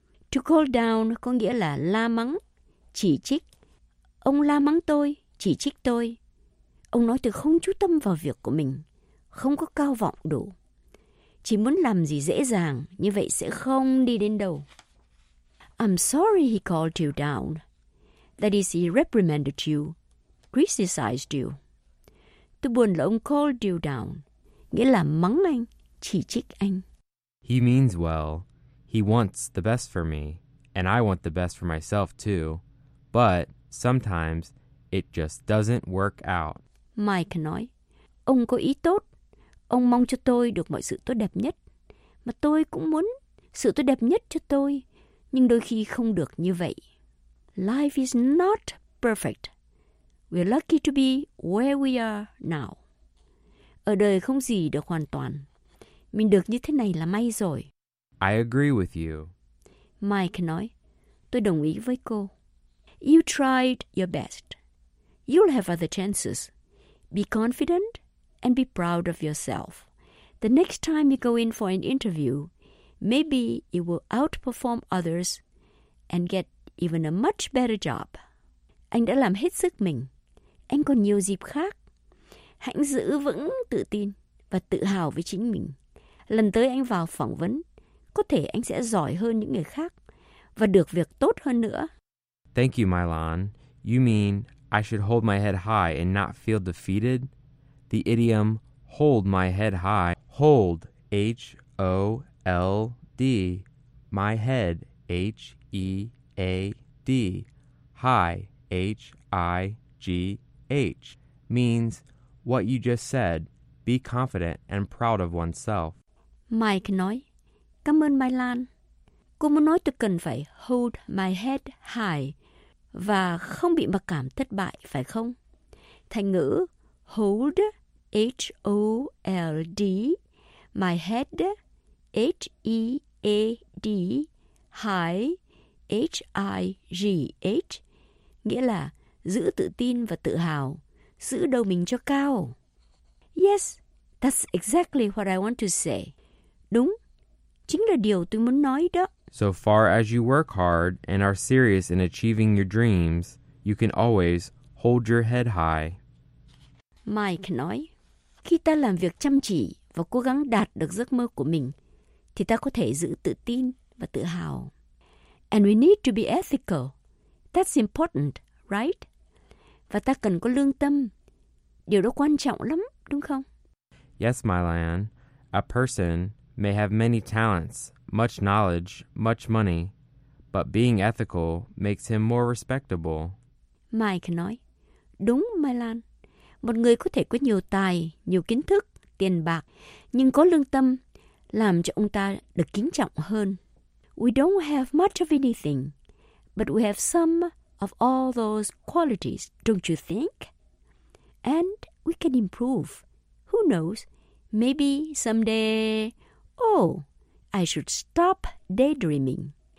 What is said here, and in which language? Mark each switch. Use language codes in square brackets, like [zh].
[vi] To call down có nghĩa là la mắng, chỉ trích. Ông la mắng tôi, chỉ trích tôi. Ông nói tôi không chú tâm vào việc của mình, không có cao vọng đủ. Chỉ muốn làm gì dễ dàng, như vậy sẽ không đi đến đâu. [en] I'm sorry he called you down. That is, he reprimanded you, criticized you. [vi] Tôi buồn là ông [en] called you down, [vi] nghĩa là mắng anh, chỉ trích anh. [en] He means well. He wants the best for me, and I want the best for myself too. But sometimes it just doesn't work out. [vi] Mike nói, ông có ý tốt, ông mong cho tôi được mọi sự tốt đẹp nhất, mà tôi cũng muốn sự tốt đẹp nhất cho tôi, nhưng đôi khi không được như vậy. [en] Life is not perfect. We're lucky to be where we are now. [vi] Ở đời không gì được hoàn toàn. Mình được như thế này là may rồi. [en] I agree with you. [vi] Mike nói, tôi đồng ý với cô. [en] You tried your best. You'll have other chances. Be confident and be proud of yourself. The next time you go in for an interview, maybe you will outperform others and get even a much better job. [vi] Anh đã làm hết sức mình. Anh còn nhiều dịp khác. Hãy giữ vững tự tin và tự hào với chính mình. Lần tới anh vào phỏng vấn, có thể anh sẽ giỏi hơn những người khác và được việc tốt hơn nữa. [en] Thank you, Mylon. You mean I should hold my head high and not feel defeated? The idiom hold my head high, hold, H-O-L-D, my head, H-E-A-D, high, H-I-G-H, means what you just said, be confident and proud of oneself. [vi] Mike nói, cảm ơn Mylon. Cô muốn nói tôi cần phải [en] hold my head high [vi] và không bị mặc cảm thất bại, phải không? Thành ngữ [en] hold, H-O-L-D, my head, H-E-A-D, high, H-I-G-H, [vi] nghĩa là giữ tự tin và tự hào, giữ đầu mình cho cao. [en] Yes, that's exactly what I want to say. [vi] Đúng, chính là điều tôi muốn nói đó. [en] So far as you work hard and are serious in achieving your dreams, you can always hold your head high. [vi] Mike nói, khi ta làm việc chăm chỉ và cố gắng đạt được giấc mơ của mình, thì ta có thể giữ tự tin và tự hào. [en] And we need to be ethical. That's important, right? [vi] Và ta cần có lương tâm. Điều đó quan trọng lắm, đúng không? [en] Yes, Mylon. A person may have many talents, much knowledge, much money, but being ethical makes him more respectable. [vi] Mike nói, đúng, Mylon. Một người có thể có nhiều tài, nhiều kiến thức, tiền bạc, nhưng có lương tâm làm cho ông ta được kính trọng hơn. [en] We don't have much of anything, but we have some of all those qualities, don't you think? And we can improve. Who knows? Maybe someday, oh, I should stop daydreaming.